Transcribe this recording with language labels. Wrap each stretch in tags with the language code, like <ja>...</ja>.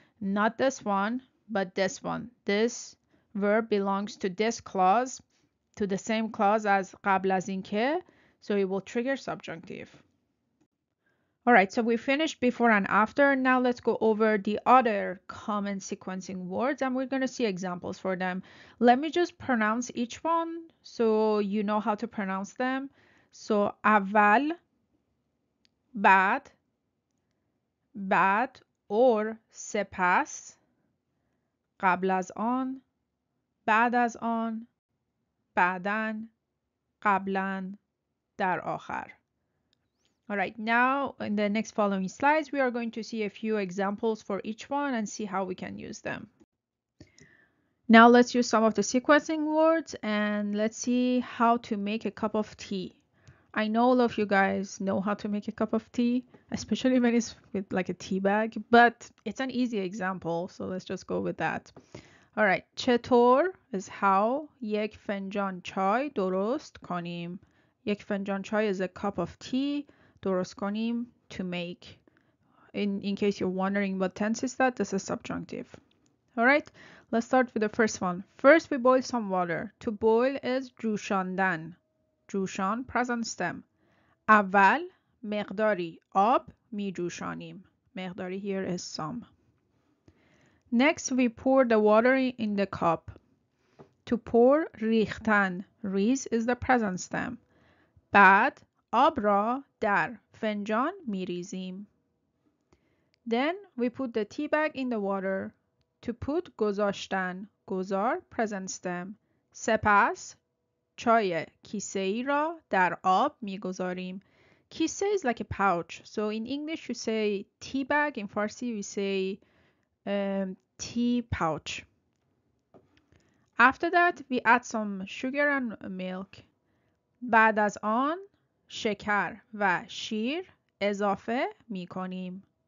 <en>Not this one, but this one. This verb belongs to this clause, to the same clause as</en> <fa>قبل از اینکه,</fa> <en>so it will trigger subjunctive. Alright, so we finished before and after. Now let's go over the other common sequencing words and we're going to see examples for them. Let me just pronounce each one so you know how to pronounce them.</en> <fa>So اول, بعد, بعد,</fa> <en>or</en> <fa>سپس, قبل از آن, بعد از آن, بعدن, قبلن, در آخر.</fa> <en>Alright, now in the next following slides, we are going to see a few examples for each one and see how we can use them. Now let's use some of the sequencing words and let's see how to make a cup of tea. I know all of you guys know how to make a cup of tea, especially when it's with like a tea bag, but it's an easy example, so let's just go with that.</en> <fa>Alright, چطور</fa> <en>is how</en> <fa>یک فنجان چای درست کنیم. یک فنجان چای</fa> <en>is a cup of tea.</en> <fa>درست کنیم,</fa> <en>to make. In case you're wondering what tense is that, this is subjunctive. Alright, let's start with the first one. First, we boil some water. To boil is جوشاندن. جوشان, present stem.</en> <fa>اول مقداری آب می جوشانیم.</fa> <en>مقداری here is some. Next, we pour the water in the cup. To pour, ریختن. ریز is the present stem.</en> <fa>بعد, آب را در فنجان می ریزیم.</fa> <en>Then, we put the tea bag in the water. To put, گذاشتن. گذار, present stem.</en> <fa>سپس, چای کیسه ای را در آب می گذاریم.</fa> <en>kisse is like a pouch. So in English you say tea bag, in Farsi we say tea pouch. After that we add some sugar and milk.</en> <fa>بعد از آن شکر و شیر اضافه می کنیم.</fa>